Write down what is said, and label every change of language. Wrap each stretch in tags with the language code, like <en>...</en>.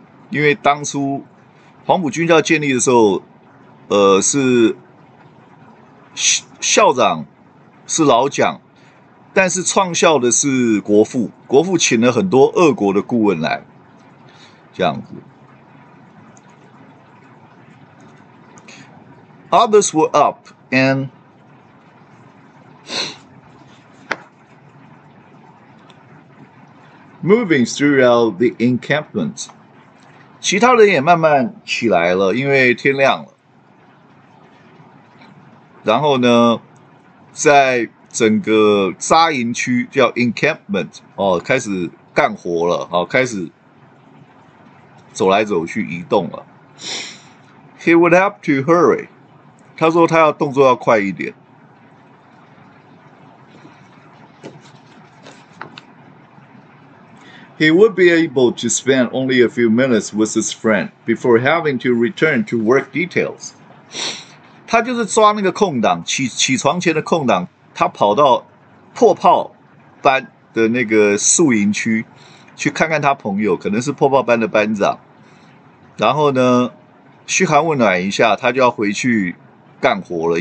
<zh>因为当初黄埔军校建立的时候是校长是老蒋，但是创校的是国父，国父请了很多俄国的顾问来，这样子。</zh> <en>Others were up and moving throughout the encampment.</en> <zh>其他人也慢慢起来了，因为天亮了。然后呢，在整个扎营区叫 encampment 哦，开始干活了，哦，开始走来走去移动了。</zh> <en>He would have to hurry.</en> <zh>他说他要动作要快一点。</zh> <en>He would be able to spend only a few minutes with his friend before having to return to work details.</en> <zh>他就是抓那个空档，起床前的空档。他跑到破炮班的那个宿营区去看看他朋友，可能是破炮班的班长，然后呢嘘寒问暖一下，他就要回去干活了。</zh>